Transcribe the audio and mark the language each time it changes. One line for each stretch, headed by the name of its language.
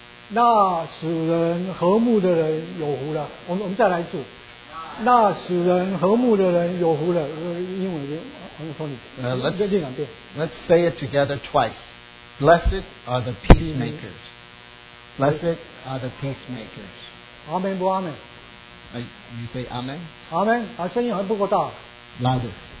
Chinese: 那使人和睦的人有福了。我们再来一次。那使人和睦的人有福了。英文的，我们说你，再念两遍。
English: Let's say it together twice. Blessed are the peacemakers. Blessed are the peacemakers. Amen,
Chinese: 不
English: Amen? You say Amen? Amen.
Chinese: 啊，声音好像不够大。
English: Louder.